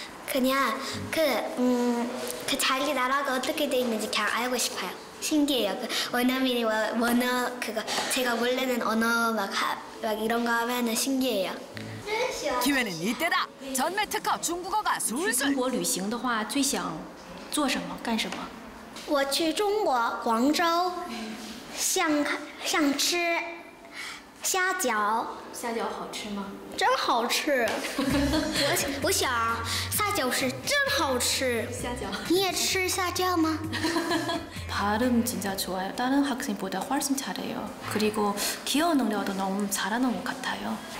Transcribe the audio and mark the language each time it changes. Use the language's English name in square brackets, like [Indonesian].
[Korean] 그냥 그 자기 나라가 어떻게 돼 있는지 그냥 알고 싶어요. 신기해요. 그 원어민이 원어 그거 제가 몰래는 언어 막 이런 거 하면은 신기해요. 기회는 이때다. 전매 특허 중국어가 술술. 중국 여행 [Chinese] 的话 最想做什么干什么? 我去中国广州想吃 虾饺好吃吗？真好吃。我想虾饺是真好吃。虾饺，你也吃虾饺吗？ [Korean] 발음 진짜 좋아요. 다른 학생보다 훨씬 잘해요. 그리고 기어 능력도 너무 잘하는 것 같아요.